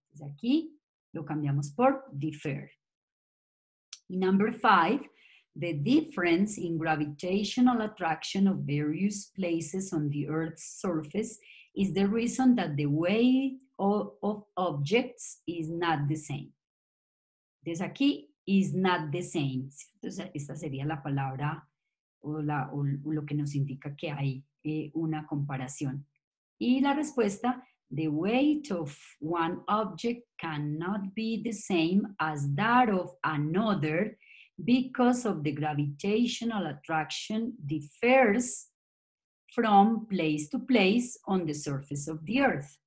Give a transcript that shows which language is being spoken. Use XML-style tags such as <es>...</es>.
<es>Entonces aquí, lo cambiamos por differ.</es> <en>Number five. The difference in gravitational attraction of various places on the Earth's surface is the reason that the weight of objects is not the same.</en> <es>Entonces aquí,</es> <en>is not the same.</en> <es>Entonces esta sería la palabra o lo que nos indica que hay una comparación. Y la respuesta,</es> <en>the weight of one object cannot be the same as that of another because of the gravitational attraction differs from place to place on the surface of the earth.</en>